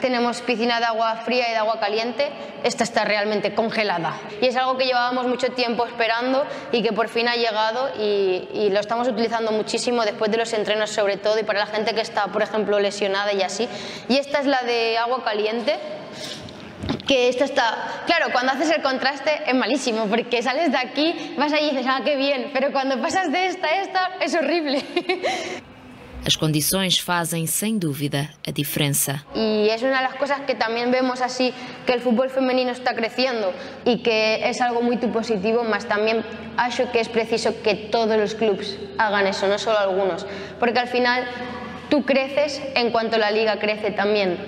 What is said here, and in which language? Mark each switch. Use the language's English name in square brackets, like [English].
[Portuguese] Temos piscina de água fria e de água caliente. [Spanish] Esta está realmente congelada. [Portuguese] E é algo que levávamos muito tempo esperando e que por fim ha chegado e [Spanish] lo estamos utilizando muchísimo [Portuguese] depois [Spanish] de los entrenos, [Portuguese] sobretudo, e para a gente que está, por exemplo, lesionada e assim. E esta é a de água caliente. [Spanish] Que esto está... Claro, cuando haces el contraste es malísimo, porque sales de aquí, vas ahí y dices, ah, qué bien, pero cuando pasas de esta a esta, es horrible. [Portuguese] As condições fazem, sem dúvida, a diferença. E é uma das coisas que também vemos assim, que o futebol feminino está crescendo e que é algo muito positivo, mas também acho que é preciso que todos os clubes hagam isso, não só alguns, porque ao final... [Spanish] Tú creces en cuanto la liga crece también.